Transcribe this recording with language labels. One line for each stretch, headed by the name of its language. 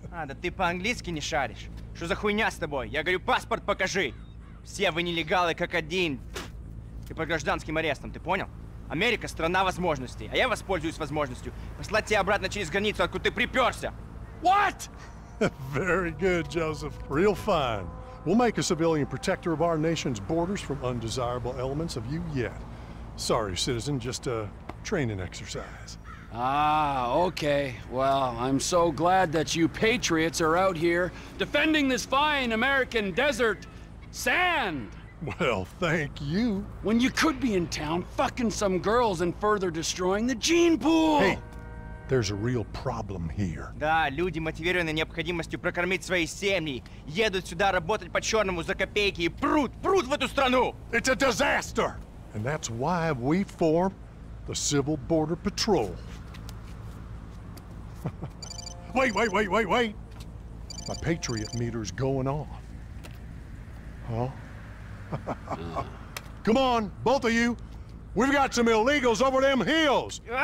Russian: А, да ты по-английски не шаришь? Что за хуйня с тобой? Я говорю, паспорт покажи. Все вы нелегалы как один. Ты под гражданским арестом, ты понял? Америка — страна возможностей, а я воспользуюсь возможностью послать тебя обратно через границу, откуда ты приперся.
English: What? Very good, Joseph. Real fine. We'll make a civilian protector of our nation's borders from undesirable elements of you yet. Sorry, citizen, just a training exercise. Ah, okay. Well, I'm so glad that you patriots are out here defending this fine American desert sand. Well, thank you. When you could be in town fucking some girls and further destroying the gene pool. Hey, there's a real problem here.
Russian: Да, люди, мотивированные необходимостью прокормить свои семьи, едут сюда работать по черному за копейки и прут в эту страну.
English: It's a disaster. And that's why we form the Civil Border Patrol. Wait. My Patriot meter's going off. Huh? Come on, both of you. We've got some illegals over them hills.